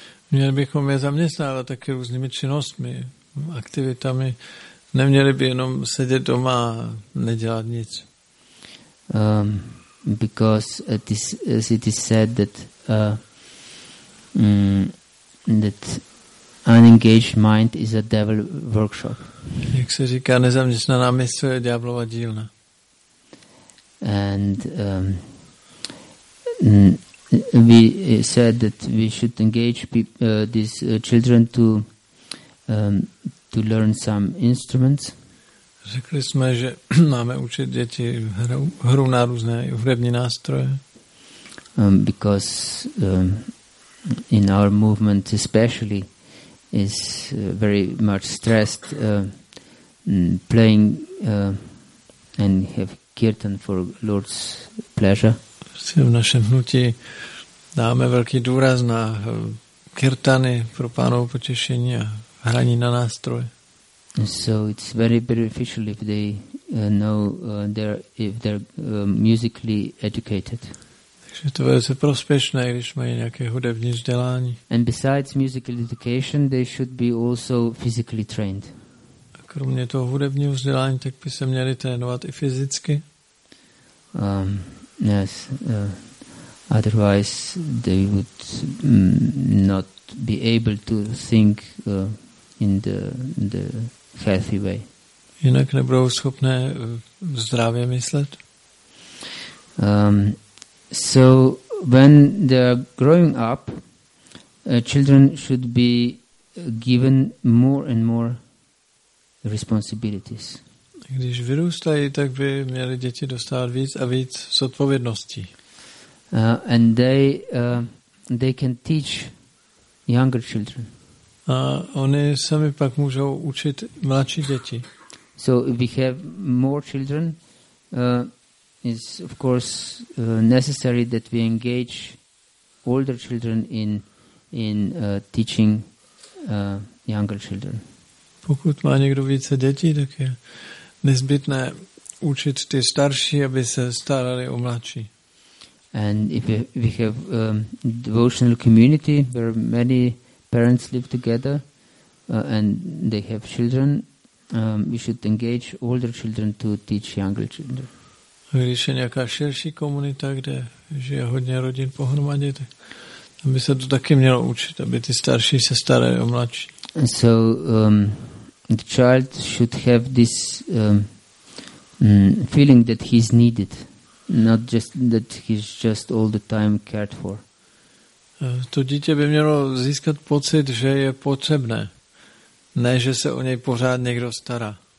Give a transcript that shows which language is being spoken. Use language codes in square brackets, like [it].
[cs] Měli bychom je zaměstnávat také různými činnostmi, aktivitami. Neměli by jenom sedět doma a nedělat nic. [en] Because as it is said that that unengaged mind is a devil workshop. [cs] Jak se říká, nezaměstnaná mysl je ďáblova dílna. [en] And we said that we should engage these children to learn some instruments. [cs] Řekli jsme, že máme učit děti hru na různé hudební nástroje. [en] Because in our movement especially is very much stressed playing and have kirtan for Lord's pleasure. [cs] V našem hnutí dáme velký důraz na kirtany pro pánovo potěšení a hraní na nástroje. [en] So it's very beneficial if they know they're if they're musically educated. [cs] Takže to je prospěšné, když mají nějaké hudební vzdělání. [en] And besides musical education, they should be also physically trained. [cs] A kromě toho hudebního vzdělání, tak by se měli trénovat i fyzicky. [en] Yes. Otherwise, they would not be able to think in the healthy way. [cs] Jinak nebudou schopné zdravě myslet. [en] So when they are growing up, children should be given more and more responsibilities. [cs] Když vyrůstají, tak by měli děti dostávat víc a víc zodpovědností. [en] And they can teach younger children. [cs] A oni sami pak můžou učit mladší děti. [en] So if we have more children, it's of course necessary that we engage older children in teaching younger children. [cs] Pokud má někdo více dětí, tak je nezbytné učit ty starší, aby se starali o mladší. [en] And if we have a devotional community where many parents live together and they have children, we should engage older children to teach younger children. [cs] Když je nějaká širší komunita, kde žije hodně rodin pohromadě, tam by se to taky mělo učit, aby ty starší se starali o mladší. [en] So the child should have this feeling that he's needed, not just that he's just all the time cared for. [cs] To dítě by mělo získat pocit, že je potřebné, ne že se o něj pořád někdo stará.